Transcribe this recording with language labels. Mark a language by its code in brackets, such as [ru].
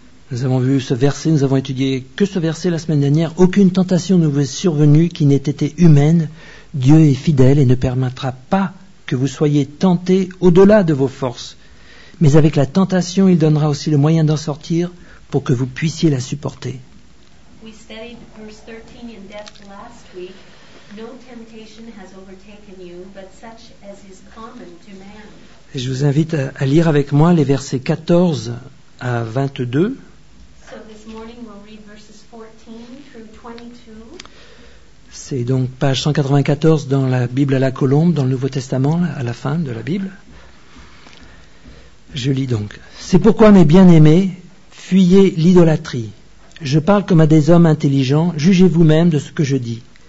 [fr] Nous avons vu ce verset, nous avons étudié que ce verset la semaine dernière. Aucune tentation ne vous est survenue qui n'ait été humaine. Dieu est fidèle et ne permettra pas que vous soyez tentés au-delà de vos forces. Mais avec la tentation, il donnera aussi le moyen d'en sortir pour que vous puissiez la supporter. [en] We studied verse 13 in depth last week. No temptation has overtaken you, but such as is common to man. [fr] Et je vous invite à lire avec moi les versets 14 à 22. [en] So this morning we'll read verses 14 through 22. [fr] C'est donc page 194 dans la Bible à la colombe, dans le Nouveau Testament, à la fin de la Bible. Je lis donc. C'est pourquoi, mes bien-aimés, fuyez l'idolâtrie. Je parle comme à des hommes intelligents, jugez vous-même de ce que je dis.